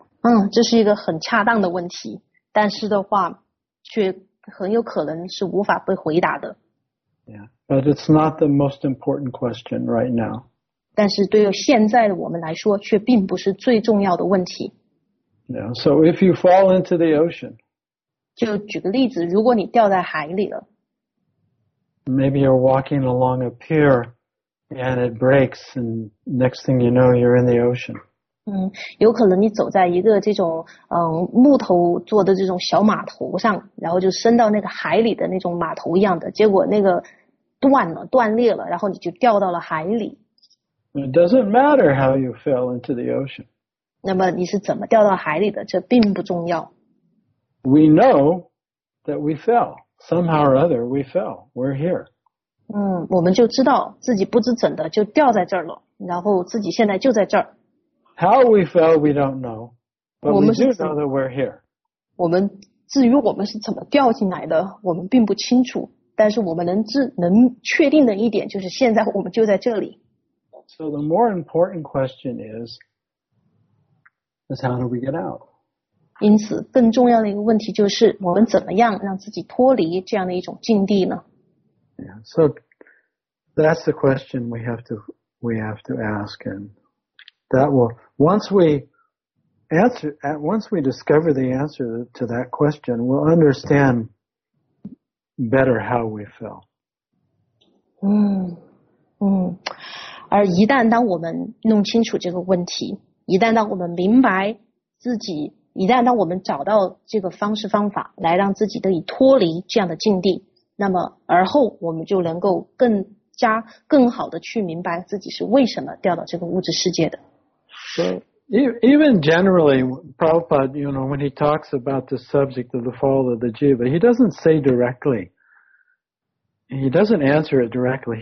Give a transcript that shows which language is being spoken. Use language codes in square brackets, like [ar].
[zh] 嗯，这是一个很恰当的问题，但是的话，却很有可能是无法被回答的。 [en] Yeah, but it's not the most important question right now. [zh] 但是对于现在的我们来说，却并不是最重要的问题。 [en] Yeah, so if you fall into the ocean. [zh] 就举个例子，如果你掉在海里了。 [en] Maybe you're walking along a pier. And it breaks, and next thing you know, you're in the ocean. [zh] 有可能你走在一个这种木头做的这种小码头上，然后就伸到那个海里的那种码头一样的，结果那个断了，断裂了，然后你就掉到了海里。 [en] It doesn't matter how you fell into the ocean. [zh] 那么你是怎么掉到海里的？这并不重要。 [en] We know that we fell somehow or other. We fell. We're here. [zh] 我们就知道自己不知怎的就掉在这儿了，然后自己现在就在这儿。 [en] How we fell, we don't know, but we do know that we're here. [zh] 我们至于我们是怎么掉进来的，我们并不清楚，但是我们能确定的一点就是现在我们就在这里。 [en] So the more important question is how do we get out? [zh] 因此，更重要的一个问题就是我们怎么样让自己脱离这样的一种境地呢？ [en] Yeah, so that's the question we have to ask, and that will once we discover the answer to that question, we'll understand better how we feel. [zh] 而一旦当我们弄清楚这个问题，一旦当我们明白自己，一旦当我们找到这个方式方法来让自己得以脱离这样的境地。那么而后我们就能够更加更好的去明白自己是为什么掉到这个物质世界的。 [en] So, even generally, Prabhupada, you know, when he talks about the subject of the fall of the jiva, he doesn't answer it directly.